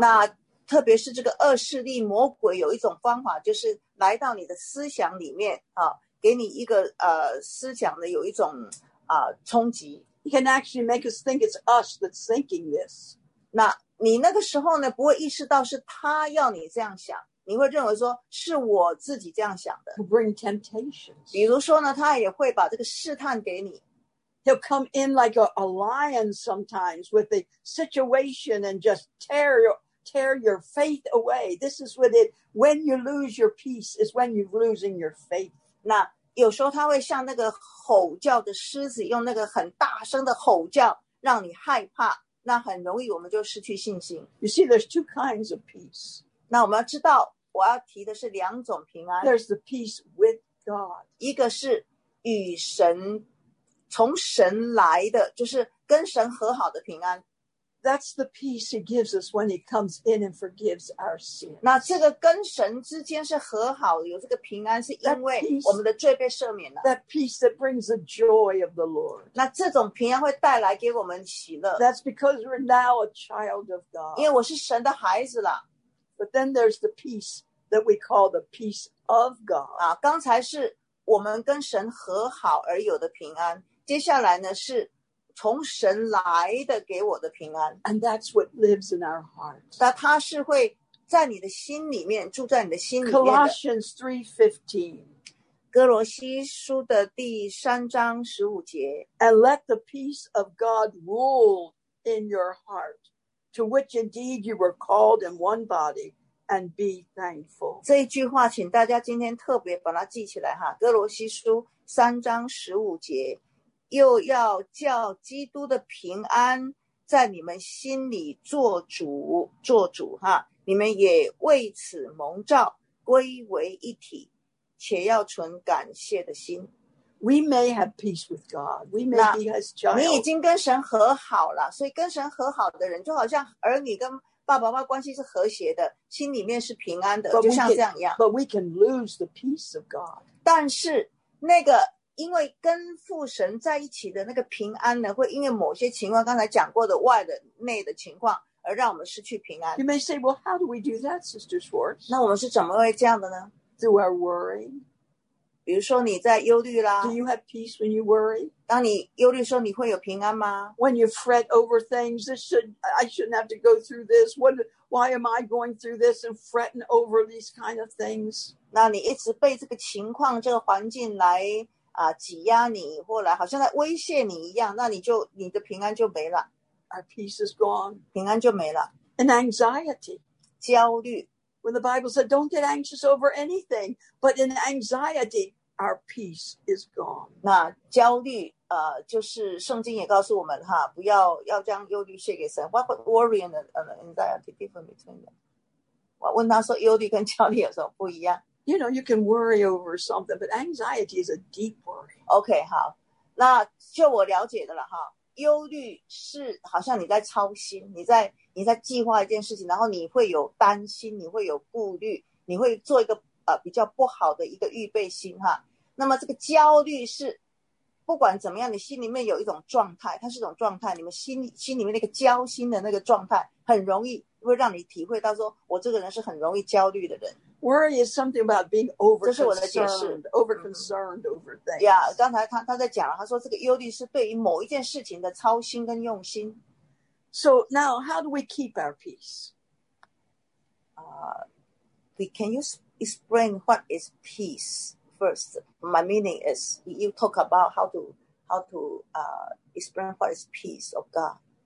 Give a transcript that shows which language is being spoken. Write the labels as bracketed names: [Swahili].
[Chinese] 那特别是这个恶势力魔鬼有一种方法，就是来到你的思想里面啊，给你一个思想的有一种冲击。 [English] He can actually make us think it's us that's thinking this. [Chinese] 那你那个时候呢，不会意识到是他要你这样想。你会认为说是我自己这样想的。 [English] To bring temptations. [Chinese] 比如说呢，他也会把这个试探给你。 [English] He'll come in like a lion sometimes with a situation and just tear your faith away. This is with it. When you lose your peace is when you're losing your faith. [Chinese] 那有时候他会像那个吼叫的狮子，用那个很大声的吼叫让你害怕，那很容易我们就失去信心。 [English] You see, there's two kinds of peace. [Chinese] 那我们要知道我要提的是两种平安。 [English] There's the peace with God. [Chinese] 一个是与神从神来的就是跟神和好的平安。 [English] That's the peace he gives us when he comes in and forgives our sins. [Chinese] 那这个跟神之间是和好有这个平安是因为我们的罪被赦免了。 [English] That peace that brings the joy of the Lord. [Chinese] 那这种平安会带来给我们喜乐。 [English] That's because we're now a child of God. [Chinese] 因为我是神的孩子了。 [English] But then there's the peace that we call the peace of God. [Chinese] 啊，刚才是我们跟神和好而有的平安，接下来呢是从神来的给我的平安。 [English] And that's what lives in our heart. [Chinese] 那它是会在你的心里面，住在你的心里面的。 [English] Colossians 3:15. [Chinese] 哥罗西书的第三章十五节。 [English] And let the peace of God rule in your heart. To which indeed you were called in one body, and be thankful. [Chinese] 这一句话，请大家今天特别把它记起来哈。哥罗西书三章十五节，又要叫基督的平安在你们心里做主，做主哈。你们也为此蒙召，归为一体，且要存感谢的心。 [English] We may have peace with God. We may be His child. [Chinese] 你已经跟神和好了，所以跟神和好的人就好像儿女跟爸爸妈妈关系是和谐的，心里面是平安的，就像这样一样。 [English] But we can lose the peace of God. [Chinese] 但是那个因为跟父神在一起的那个平安呢，会因为某些情况，刚才讲过的外的内的情况，而让我们失去平安。 [English] You may say, "Well, how do we do that, Sister Schwartz?" [Chinese] 那我们是怎么会这样的呢 [English] ？Through our worry. [Chinese] 比如说你在忧虑啦。 [English] Do you have peace when you worry? [Chinese] 当你忧虑的时候，你会有平安吗 [English] ？When you fret over things, I shouldn't have to go through this. What? Why am I going through this and fretting over these kind of things? [Chinese] 那你一直被这个情况、这个环境来挤压你，或来好像在威胁你一样，那你的平安就没了。 [English] Our peace is gone. [Chinese] 平安就没了。 [English] And anxiety. [Chinese] 焦虑。 [English] When the Bible said, "Don't get anxious over anything," but in anxiety, our peace is gone. [Chinese] 那焦虑，就是圣经也告诉我们哈，不要将忧虑卸给神。 [English] What about worry and anxiety different between them? [Chinese] 我问他说，忧虑跟焦虑有什么不一样 [English] ？You know, you can worry over something, but anxiety is a deep worry. [Chinese] Okay, 好，那就我了解的了哈。忧虑是好像你在操心，你在计划一件事情，然后你会有担心，你会有顾虑，你会做一个比较不好的一个预备心哈。那么这个焦虑是不管怎么样，你心里面有一种状态，它是一种状态，你们心里面那个焦心的那个状态，很容易会让你体会到说，我这个人是很容易焦虑的人。 [English] Worry is something about being over-concerned over things. [Chinese] Yeah, 刚才他在讲了，他说这个忧虑是对于某一件事情的操心跟用心。 [English] So now, how do we keep our peace? Can you explain what is peace first? My meaning is, you talk about how to explain what is peace of God.